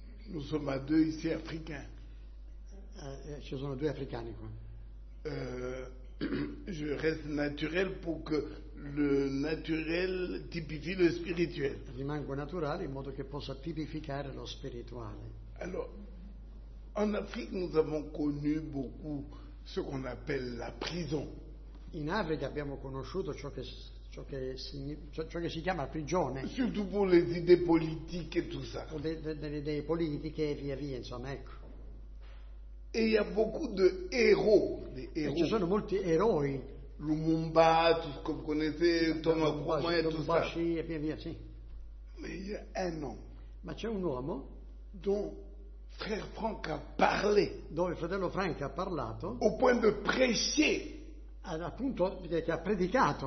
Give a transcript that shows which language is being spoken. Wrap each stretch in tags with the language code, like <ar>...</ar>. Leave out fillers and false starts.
<fr>Nous sommes à deux ici africains.</fr> <it>Ci sono due africani qua.</it> <fr>Je reste naturel pour que le naturel tipifie le spirituel.</fr> <it>Rimango naturale in modo che possa tipificare lo spirituale.</it> <fr>Alors, en Afrique, nous avons connu beaucoup ce qu'on appelle la prison.</fr> <it>In Africa abbiamo conosciuto ciò che si chiama prigione.</it> <fr>Surtout pour les idées politiques et tout ça.</fr> <it>Delle idee politiche e via via, insomma, ecco.</it> <fr>Et il y a beaucoup de héros.</fr> <it>Ci sono molti eroi.</it> <fr>Lumumba, tout ce que vous connaissez, Thomas Kouma et tout ça.</fr> <it>E via via, sì.</it> <fr>Mais il y a un homme.</fr> <it>Ma c'è un uomo</it> <fr>dont frère Franck a parlé.</fr> <it>Dove fratello Frank ha parlato.</it> <fr>Au point de prêcher.</fr> <it>Appunto, che ha predicato.</it>